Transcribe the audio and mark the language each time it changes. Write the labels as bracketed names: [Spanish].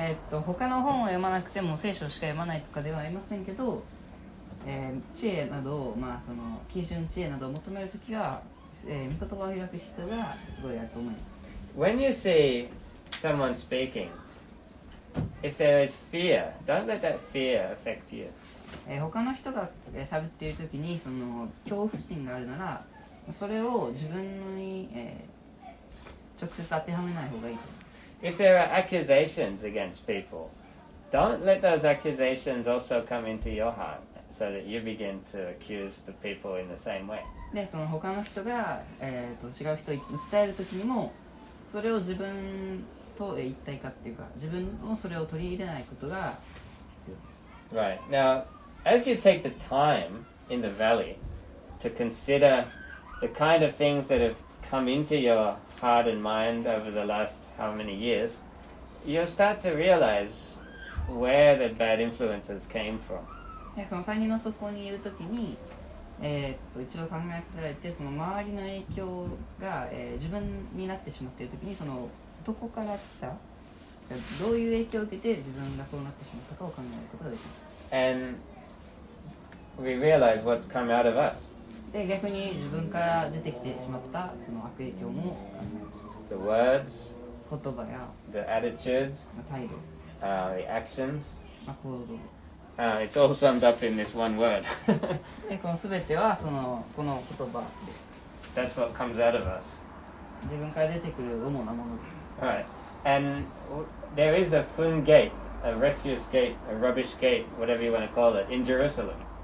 [Japanese] 他の本を読まなくても聖書しか読まないとかではありませんけど、知恵など、まあ、その基準知恵などを求めるときは、御言葉を開く人がすごいあると思います。 [English] When you see someone speaking,If there is fear, don't let that fear affect you. [Japanese] 他の人が喋っているときにその恐怖心があるなら、それを自分に、直接当てはめない方がいいと。 [English] If there are accusations against people, don't let those accusations also come into your heart, so that you begin to accuse the people in the same way. [Japanese] で、その他の人が、違う人を訴えるときにも、それを自分と一体化っていうか、自分もそれを取り入れないことが必要です。 [English] Right. Now, as you take the time in the valley to consider the kind of things that have come into your heart and mind over the last how many years, you'll start to realize where the bad influences came from. [Japanese] その谷の底にいるときに、一度考えさせられて、その周りの影響が、自分になってしまっているときに、そのどこから来た？どういう影響を受けて自分がそうなってしまったかを考えることができます。 [English] And we realize what's come out of us. [Japanese] で、逆に自分から出てきてしまったその悪影響も考えます。 [English] The words, [Japanese] 言葉や、 [English] the attitudes, [Japanese] 態度、 [English] the actions, [Japanese] 行動。 [English] It's all summed up in this one word. [Japanese] で、この全てはそのこの言葉です。 [English] That's what comes out of us. [Japanese] 自分から出てくる主なものです。 [English] Right. And there is a phun gate, a refuse gate, a rubbish gate, whatever you want to call it, in Jerusalem.